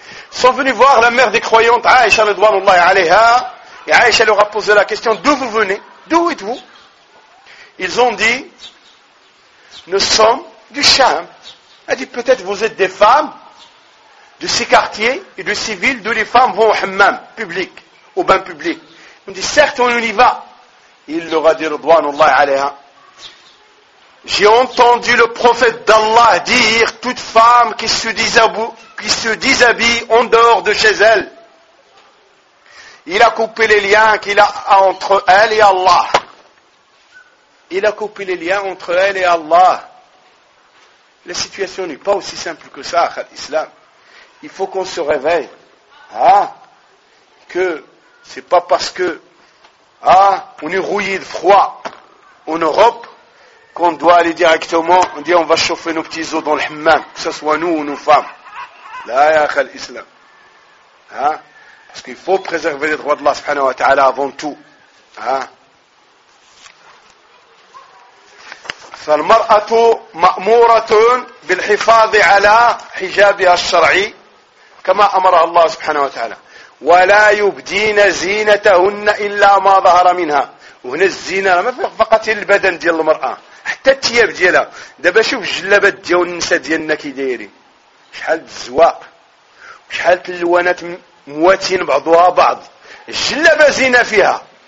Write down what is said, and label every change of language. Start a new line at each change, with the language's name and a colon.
French: sont venues voir la mère des croyantes Aïcha radhiyallahu anha et Aïcha leur a posé la question d'où vous venez, d'où êtes-vous ils ont dit nous sommes du Sham elle dit peut-être vous êtes des femmes de ces quartiers et de ces villes d'où les femmes vont au hammam public, au bain public. On dit certes on y va. Il leur a dit Radwanullah alayha. J'ai entendu le prophète d'Allah dire toute femme qui se déshabille en dehors de chez elle. Il a coupé les liens qu'il a entre elle et Allah. Il a coupé les liens entre elle et Allah. La situation n'est pas aussi simple que ça, l'islam. Il faut qu'on se réveille. Hein? Que c'est pas parce que on est rouillé de froid en Europe qu'on doit aller directement, on dit on va chauffer nos petits os dans le hammam, que ce soit nous ou nos femmes. Là, il y a parce qu'il faut préserver les droits de Allah subhanahu wa ta'ala avant tout. Hein?
Arabic: فالمرأة مأمورة بالحفاظ على حجابها الشرعي كما أمر الله سبحانه وتعالى ولا يبدين زينتهن إلا ما ظهر منها وهنا الزينة ما فقط البدن ديال المرأة حتى التياب ديالها دابا شوف الجلابات ديال النساء ديالنا كي دايرين شحال الزواق وشحال اللوانات مواتين بعضها بعض الجلابة زينة فيها